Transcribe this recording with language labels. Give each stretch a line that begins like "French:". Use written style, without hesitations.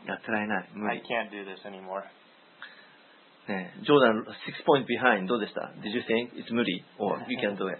Japanese: やってられない。無理。
English: I can't do this anymore.
Japanese: ねえ、ジョーダン6
English: point behind
Japanese: どうでした？
English: Did you think it's 無理 or you can do it?